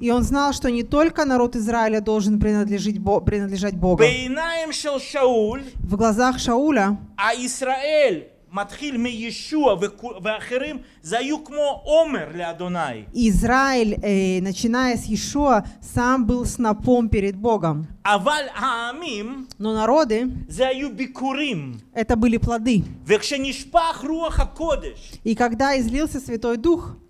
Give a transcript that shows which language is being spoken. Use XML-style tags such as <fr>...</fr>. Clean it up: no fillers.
<ru>и он знал, что не только народ Израиля должен принадлежать Богу. В глазах Шауля,</ru> <he>а Израиль מתחיל מישועה ואחרים זהו כמו עומר לאדוני.</he> <ru>Израиль, начиная с Иешуа, сам был снопом перед Богом.</ru> <he>אבל העמים,</he> <ru>но народы,</ru> <he>זהו ביקורים.</he> <ru>Это были плоды.</ru> <he>וכשנשפך רוח הקודש,</he> <ru>и когда излился Святой Дух,</ru>